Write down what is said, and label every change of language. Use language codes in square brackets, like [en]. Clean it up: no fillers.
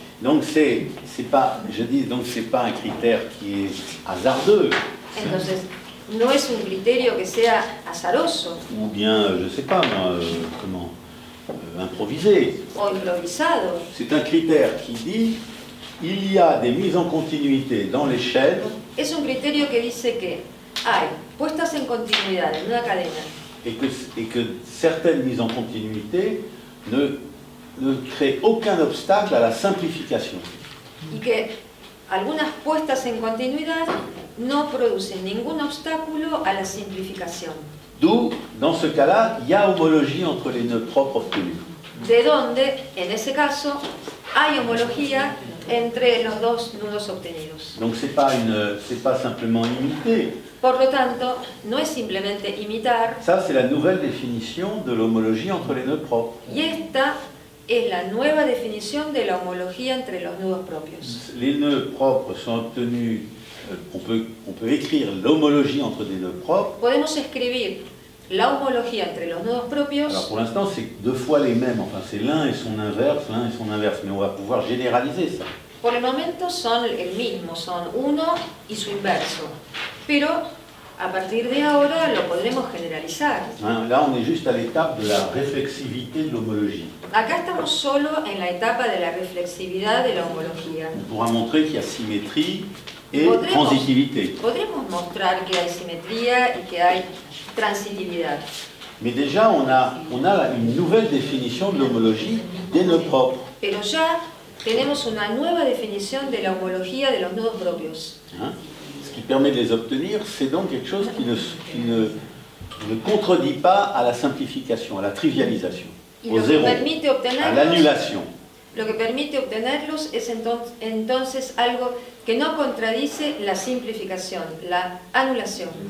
[fr] Donc c'est pas un critère qui est hasardeux. [es] Entonces, no es un criterio que sea azaroso. [fr] Ou bien, je sais pas moi, comment, improvisé. [es] O improvisado. [fr] C'est un critère qui dit il y a des mises en continuité dans les chaînes. [es] Es un criterio que dice que hay puestas en continuidad en una cadena. [fr] Et que certaines mises en continuité ne créent aucun obstacle à la simplification. [es] Y que algunas puestas en continuidad no producen ningún obstáculo a la simplificación. [fr] D'où, dans ce cas-là, il y a homologie entre les nœuds propres obtenus. [es] De donde, en ese caso, hay homología entre los dos nudos obtenidos. [fr] Donc c'est pas simplement imiter. [es] Por lo tanto, no es simplemente imitar. [fr] Ça c'est la nouvelle définition de l'homologie entre les nœuds propres. [es] Y esta es la nueva definición de la homología entre los nudos propios. [fr] Les nœuds propres sont obtenus, on peut écrire l'homologie entre des nœuds propres. [es] Podemos escribir la homologie entre les nodos propres. [fr] Alors pour l'instant, c'est deux fois les mêmes, enfin c'est l'un et son inverse, l'un et son inverse, mais on va pouvoir généraliser ça. [es] Por el momento son el mismo, son uno y su inverso. Pero a partir de ahora lo podremos generalizar. [fr] Là, on est juste à l'étape de la réflexivité de l'homologie. [es] Acá estamos solo en la etapa de la reflexividad de la homología. [fr] On pourra montrer qu'il y a symétrie et [es] podremos, [fr] transitivité. [es] Podremos mostrar que hay simetría y que hay transitividad. [fr] Mais déjà, on a une nouvelle définition de l'homologie des nœuds propres. [es] Pero ya tenemos una nueva definición de la homología de los nodos propios. [fr] Ce qui permet de les obtenir, c'est donc quelque chose qui ne contredit pas à la simplification, à la trivialisation, au zéro, à l'annulation. [es] Lo que permite obtenerlos es entonces algo que no contradice la simplificación, la anulación.